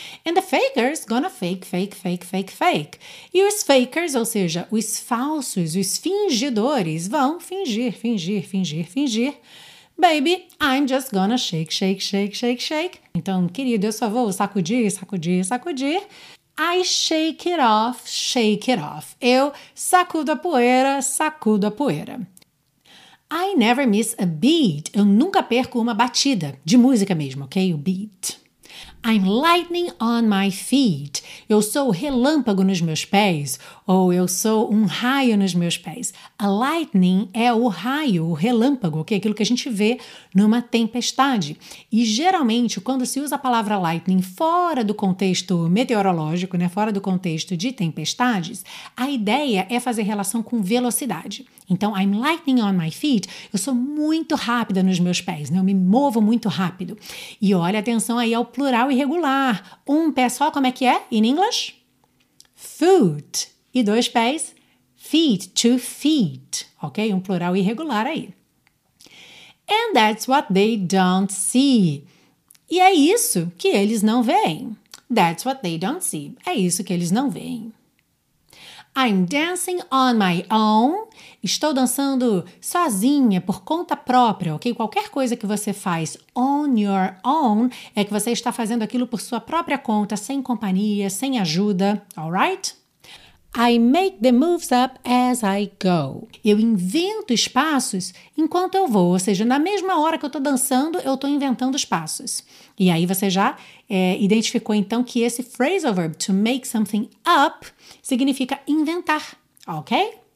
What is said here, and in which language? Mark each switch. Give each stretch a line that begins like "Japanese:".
English: And the fakers gonna fake, fake, fake, fake, fake.
Portuguese: E os fakers, ou seja, os falsos, os fingidores, vão fingir, fingir, fingir, fingir.
English: Baby, I'm just gonna shake, shake, shake, shake, shake.
Portuguese: Então, querido, eu só vou sacudir, sacudir, sacudir.
English: I shake it off, shake it off.
Portuguese: Eu sacudo a poeira, sacudo a poeira.
English: I never miss a beat.
Portuguese: Eu nunca perco uma batida de música mesmo, ok? O beat.
English: I'm lightning on my feet.
Portuguese: Eu sou relâmpago nos meus pés. Ou eu sou um raio nos meus pés. A lightning é o raio, o relâmpago, ok? Aquilo que a gente vê numa tempestade. E geralmente, quando se usa a palavra lightning fora do contexto meteorológico, né? Fora do contexto de tempestades, a ideia é fazer relação com velocidade. Então,
English: I'm lightning on my feet.
Portuguese: Eu sou muito rápida nos meus pés, né? Eu me movo muito rápido. E olha atenção aí ao plural irregular. Um pé só, como é que é?
English: In English?
Portuguese: Foot. E dois pés? Feet, two feet. Ok? Um plural irregular aí.
English: And that's what they don't see.
Portuguese: E é isso que eles não veem.
English: That's what they don't see.
Portuguese: É isso que eles não veem.
English: I'm dancing on my own.
Portuguese: Estou dançando sozinha, por conta própria, ok? Qualquer coisa que você faz on your own é que você está fazendo aquilo por sua própria conta, sem companhia, sem ajuda, alright?
English: I make the moves up as I go.
Portuguese: Eu invento os passos enquanto eu vou, ou seja, na mesma hora que eu estou dançando, eu estou inventando os passos. E aí você já identificou então que esse phrasal verb, to make something up, significa inventar, ok?